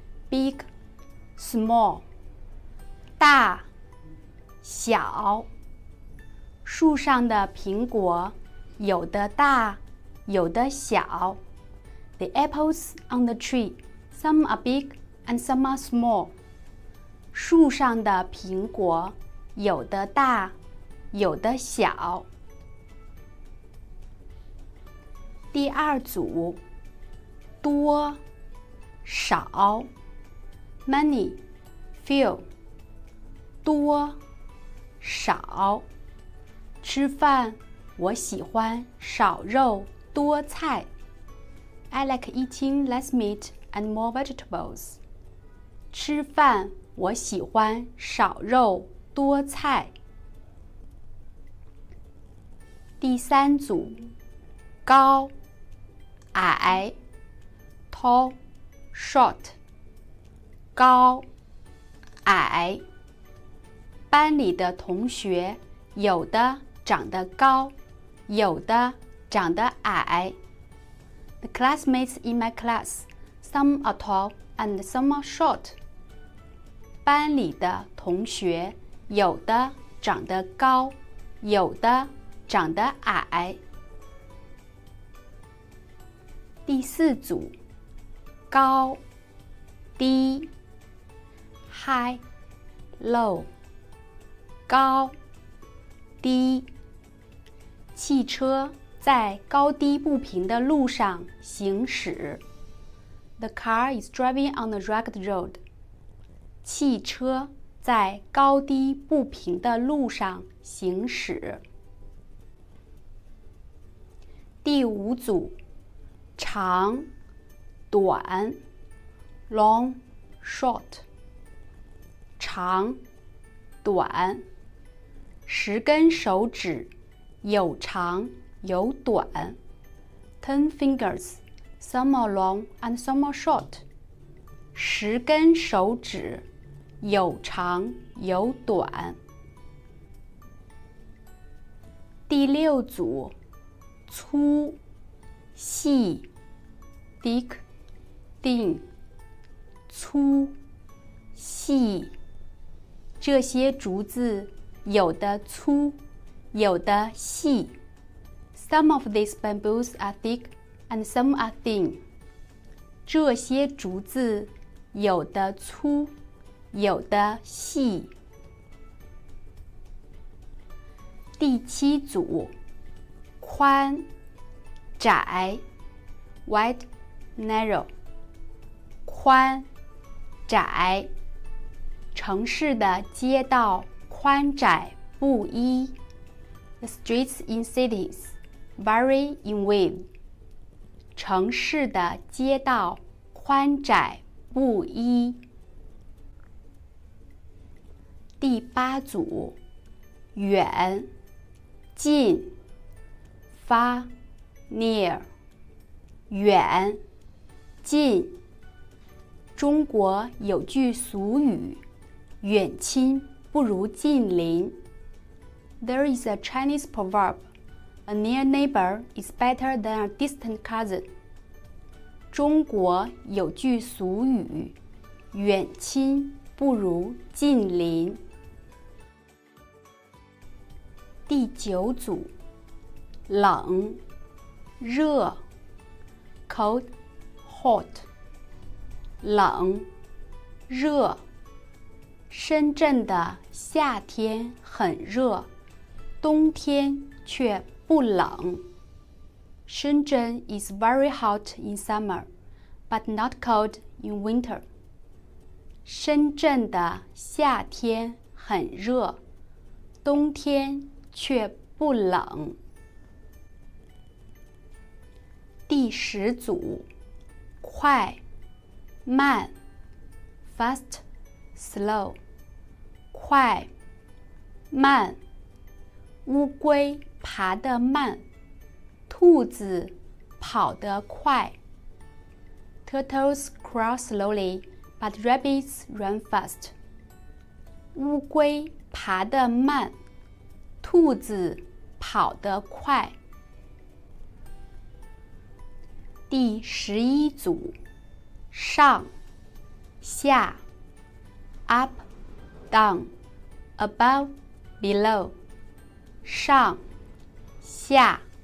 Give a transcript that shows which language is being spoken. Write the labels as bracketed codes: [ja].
[en] Big, small, [zh] 大、小。树上的苹果有的大有的小。 [en] The apples on the tree, some are big and some are small. [zh] 树上的苹果有的大有的小。第二组，多、少。 [en] Many, few, [zh] 多、少。吃饭我喜欢少肉多菜。 [en] I like eating less meat and more vegetables. [zh] 吃饭我喜欢少肉多菜。第三组，高、矮。 [en] Tall, short. [zh] 高、矮。班里的同学有的长得高，有的长得矮。 [en] The classmates in my class, some are tall and some are short. [zh] 班里的同学有的长得高，有的长得矮。第四组，高、低。 [en] High, low, [zh] 高、低。汽车在高低不平的路上行驶。 [en] The car is driving on the rugged road. [zh] 汽车在高低不平的路上行驶。第五组，长、短。 [en] Long, short. [zh] 长、短。十根手指有长有短。 [en] Ten fingers, some are long and some are short. [zh] 十根手指有长有短。第六组，粗、细。 [en] Thick, thin. [zh] 粗、细。这些竹子有的粗有的细。 [en] Some of these bamboos are thick and some are thin. [zh] 这些竹子有的粗有的细。第七组，宽、窄。 [en] Wide, narrow. [zh] 宽、窄。城市的街道宽窄不一。 [en] The streets in cities vary in width. [zh] 城市的街道宽窄不一。第八组，远、近。 [en] Far, near. [zh] 远、近。中国有句俗语，远亲不如近邻。 [en] There is a Chinese proverb, A near neighbor is better than a distant cousin. [zh] 中国有句俗语，远亲不如近邻。第九组，冷、热。 [en] Cold, hot. [zh] 冷、热。深圳的夏天很热，冬天却不冷。 [en] Shenzhen is very hot in summer, but not cold in winter. [zh] 深圳的夏天很热，冬天却不冷。第十组，快、慢 [en] fast, slow, [zh] 快慢乌龟爬得慢兔子跑得快 [en] Turtles crawl slowly, but rabbits run fast. [zh] 乌龟爬得慢兔子跑得快第十一组上下 [en] up, down, above, below [zh] 上下